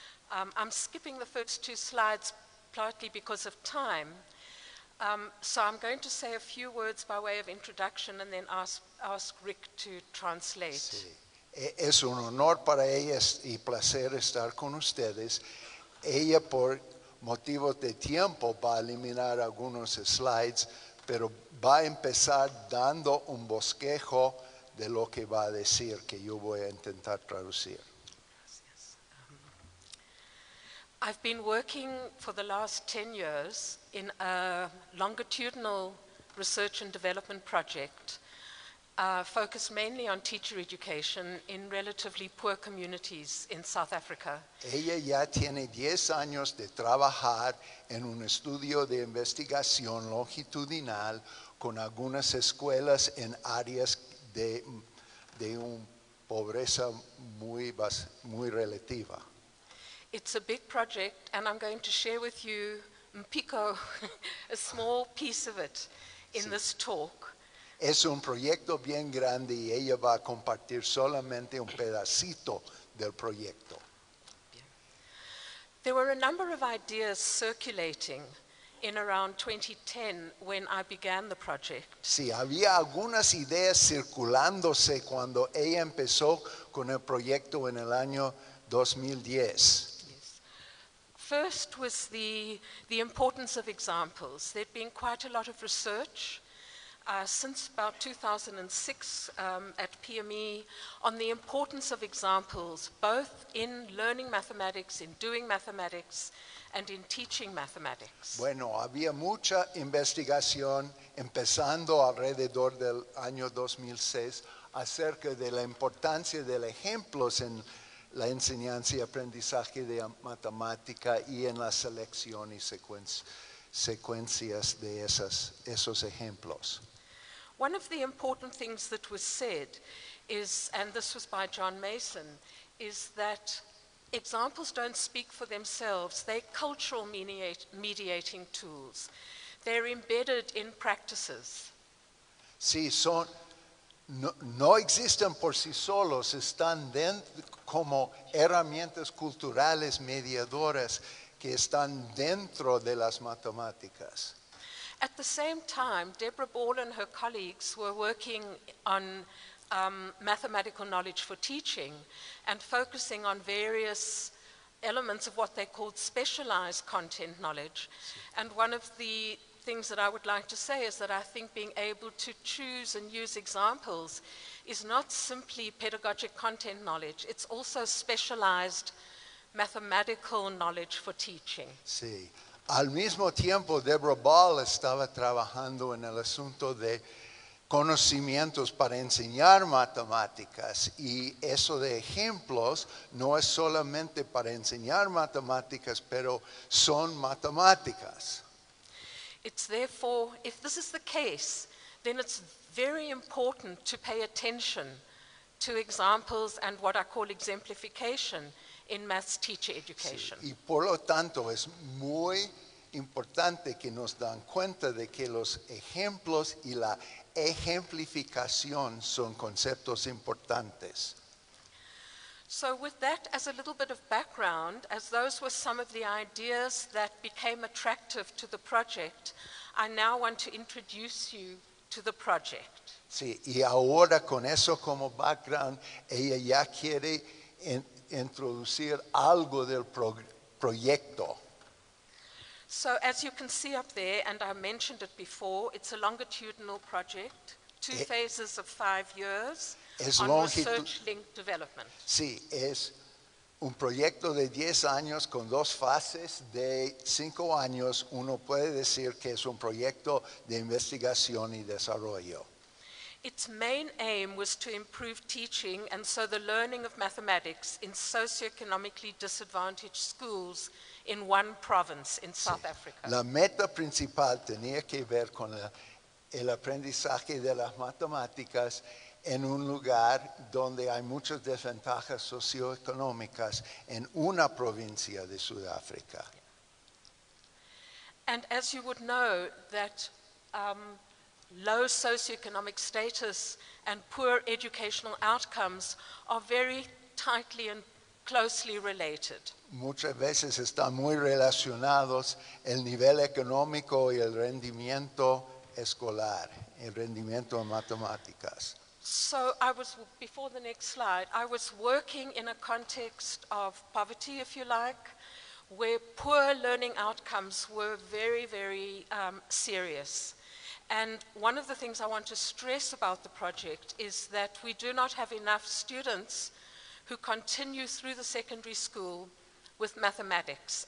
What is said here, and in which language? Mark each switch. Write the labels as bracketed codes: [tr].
[en] I'm skipping the first two slides partly because of time. So I'm going to say a few words by way of introduction and then ask Rick to translate. [es] Sí. Es un honor para ella y placer estar con ustedes. Ella, por motivos de tiempo, va a eliminar algunos slides, pero va a empezar dando un bosquejo de lo que va a decir, que yo voy a intentar traducir. [en] I've been working for the last 10 years in a longitudinal research and development project focused mainly on teacher education in relatively poor communities in South Africa. [es] Ella ya tiene 10 años de trabajar en un estudio de investigación longitudinal con algunas escuelas en áreas de un pobreza muy, muy relativa. [en] It's a big project, and I'm going to share with you Mpiko, a small piece of it, in [es] sí. [en] This talk. [es] Es un proyecto bien grande, y ella va a compartir solamente un pedacito del proyecto. Bien. [en] There were a number of ideas circulating in around 2010 when I began the project. [es] Sí, había algunas ideas circulándose cuando ella empezó con el proyecto en el año 2010. [en] First was the importance of examples. There'd been quite a lot of research since about 2006 at PME on the importance of examples, both in learning mathematics, in doing mathematics, and in teaching mathematics. [es] Bueno, había mucha investigación empezando alrededor del año 2006 acerca de la importancia de los ejemplos en la enseñanza y aprendizaje de matemática y en la selección y secuencias de esos ejemplos. [en] One of the important things that was said is, and this was by John Mason, is that examples don't speak for themselves. They're cultural mediating tools. They're embedded in practices. [es] Sí, son, no existen por sí solos, están dentro como herramientas culturales mediadoras que están dentro de las matemáticas. [en] At the same time, Deborah Ball and her colleagues were working on mathematical knowledge for teaching and focusing on various elements of what they called specialized content knowledge. And one of the things that I would like to say is that I think being able to choose and use examples is not simply pedagogic content knowledge, it's also specialized mathematical knowledge for teaching. [es] Sí. Al mismo tiempo, Deborah Ball estaba trabajando en el asunto de conocimientos para enseñar matemáticas, y eso de ejemplos no es solamente para enseñar matemáticas, pero son matemáticas. [en] It's therefore, if this is the case, then it's very important to pay attention to examples and what I call exemplification in maths teacher education. [es] Sí, y por lo tanto es muy importante que nos dan cuenta de que los ejemplos y la ejemplificación son conceptos importantes. [en] So with that as a little bit of background, as those were some of the ideas that became attractive to the project, I now want to introduce you to the project. [es] Sí, y ahora con eso como background, ella ya quiere introducir algo del proyecto. [en] So as you can see up there, and I mentioned it before, it's a longitudinal project, two phases of 5 years [es] es [en] on research-linked development. [es] Sí, es un proyecto de 10 años con dos fases de 5 años. Uno puede decir que es un proyecto de investigación y desarrollo. [en] Its main aim was to improve teaching and so the learning of mathematics in socioeconomically disadvantaged schools in one province in South Africa. [es] La meta principal tenía que ver con el aprendizaje de las matemáticas en un lugar donde hay muchas desventajas socioeconómicas en una provincia de Sudáfrica. [en] And as you would know, that low socioeconomic status and poor educational outcomes are very tightly and closely related. [es] Muchas veces están muy relacionados el nivel económico y el rendimiento escolar, el rendimiento en matemáticas. [en] So I was, before the next slide, I was working in a context of poverty, if you like, where poor learning outcomes were very, very serious. And one of the things I want to stress about the project is that we do not have enough students who continue through the secondary school with mathematics.